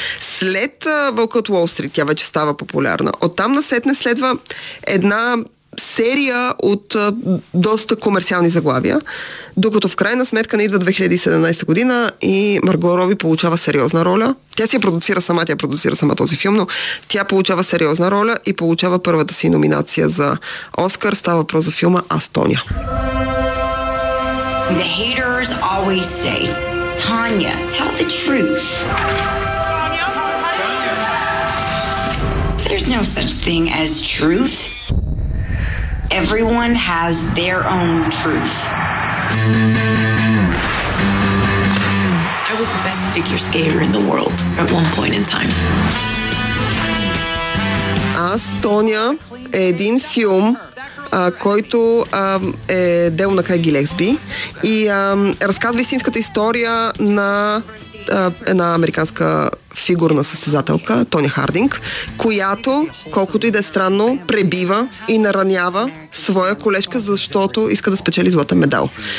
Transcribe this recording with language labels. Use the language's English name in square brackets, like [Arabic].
[Bulgarian] След Вълка от Уолл Стрит, тя вече става популярна. Оттам насетне следва една серия от доста комерциални заглавия, докато в крайна сметка не идва 2017 година и Марго Роби получава сериозна роля. Тя продуцира сама този филм, но тя получава сериозна роля и получава първата си номинация за Оскар. Става въпрос за филма Астония. [English] The haters always say, Tanya, tell the truth. There's no such thing as truth. Everyone has their own truth. I was the best figure skater in the world at one point in time. [Bulgarian] Астония е един филм, който е дело на Крейг Гилесби и разказва истинската история на една американска фигурна състезателка, Тоня Хардинг, която, колкото и да е странно, пребива и наранява своя колежка, защото иска да спечели златен медал.